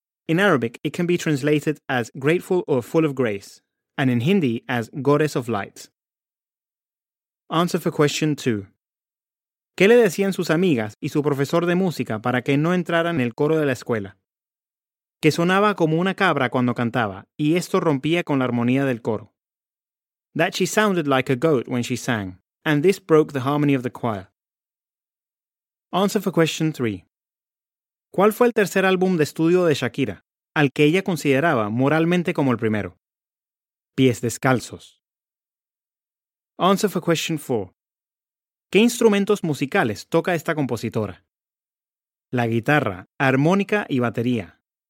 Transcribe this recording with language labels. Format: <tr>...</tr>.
<en>In Arabic, it can be translated as grateful or full of grace, and in hindi as goddess of light. Answer for question 2.</en> <es>¿Qué le decían sus amigas y su profesor de música para que no entrara en el coro de la escuela? Que sonaba como una cabra cuando cantaba, y esto rompía con la armonía del coro.</es> <en>That she sounded like a goat when she sang, and this broke the harmony of the choir. Answer for question 3.</en> <es>¿Cuál fue el tercer álbum de estudio de Shakira, al que ella consideraba moralmente como el primero?</es> <en>Pies descalzos. Answer for question 4.</en> <es>¿Qué instrumentos musicales toca esta compositora? La guitarra, armónica y batería.</es>